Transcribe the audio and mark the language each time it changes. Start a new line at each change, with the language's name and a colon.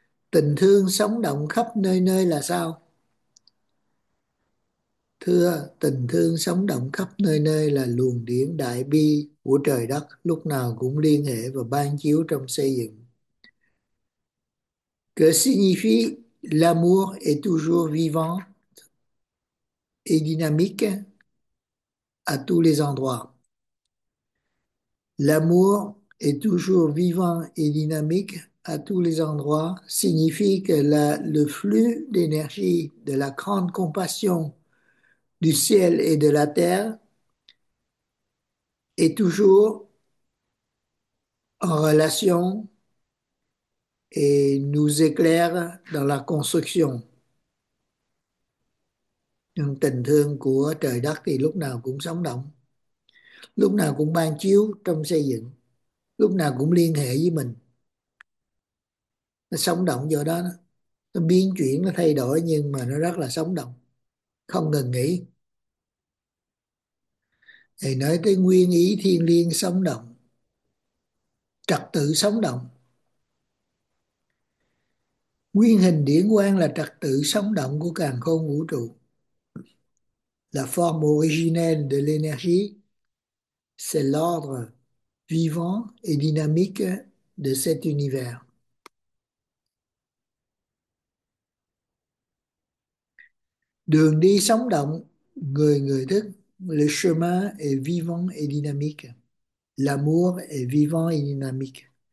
Vietnamese: Tình thương sống động khắp nơi nơi là sao? Thưa, tình thương sống động khắp nơi nơi là luồng điển đại bi của trời đất lúc nào cũng liên hệ và ban chiếu trong xây dựng.
French: Que signifie l'amour est toujours vivant et dynamique à tous les endroits? L'amour est toujours vivant et dynamique à tous les endroits signifie que le flux d'énergie de la grande compassion du ciel et de la terre est toujours en relation et nous éclaire dans la construction.
Vietnamese: Nhưng tình thương của trời đất thì lúc nào cũng sống động, lúc nào cũng ban chiếu trong xây dựng, lúc nào cũng liên hệ với mình. Nó sống động do đó, nó biến chuyển, nó thay đổi nhưng mà nó rất là sống động, không ngừng nghỉ. Thì nói tới nguyên ý thiêng liêng sống động, trật tự sống động. Nguyên hình điển quang là trật tự sống động của càn khôn vũ trụ, là
French: forme originelle de l'énergie, c'est l'ordre vivant et dynamique de cet univers.
Vietnamese: Đường đi sống động, người người thức,
French: le chemin est vivant et dynamique. L'amour est vivant et dynamique.